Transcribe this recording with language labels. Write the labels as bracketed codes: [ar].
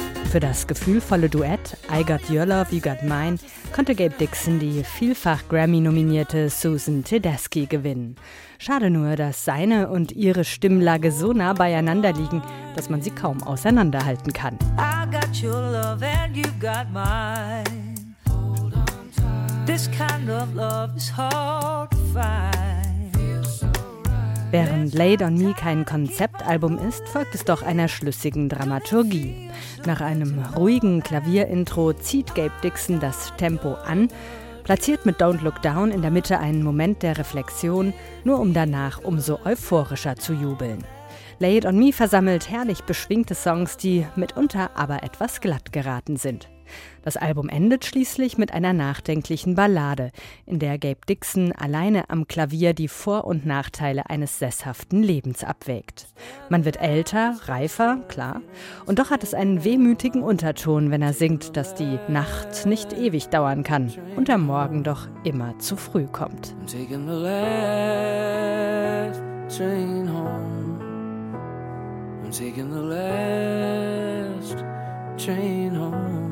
[de] Für das gefühlvolle Duett I Got Your Love, You Got Mine konnte Gabe Dixon die vielfach Grammy-nominierte Susan Tedeschi gewinnen. Schade nur, dass seine und ihre Stimmlage so nah beieinander liegen, dass man sie kaum auseinanderhalten kann. [en] I got your love and you got mine. Hold on tight. This kind of love is hard to find. [de] Während Lay It On Me kein Konzeptalbum ist, folgt es doch einer schlüssigen Dramaturgie. Nach einem ruhigen Klavierintro zieht Gabe Dixon das Tempo an, platziert mit Don't Look Down in der Mitte einen Moment der Reflexion, nur um danach umso euphorischer zu jubeln. Lay It On Me versammelt herrlich beschwingte Songs, die mitunter aber etwas glatt geraten sind. Das Album endet schließlich mit einer nachdenklichen Ballade, in der Gabe Dixon alleine am Klavier die Vor- und Nachteile eines sesshaften Lebens abwägt. Man wird älter, reifer, klar, und doch hat es einen wehmütigen Unterton, wenn er singt, dass die Nacht nicht ewig dauern kann und der Morgen doch immer zu früh kommt. [en] I'm taking the last train home. I'm taking the last train home.